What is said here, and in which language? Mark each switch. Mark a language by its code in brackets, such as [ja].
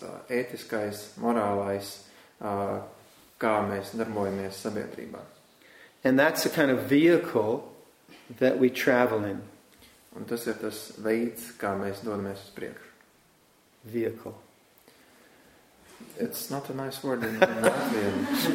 [lv] ētiskais, morālais, kā mēs darbojamies sabiedrībā. [en] And that's the kind of vehicle that we travel in. [lv] Un tas ir tas veids, kā mēs dodamies uz priekšu. [en] Vehicle. It's not a nice word in Latvian.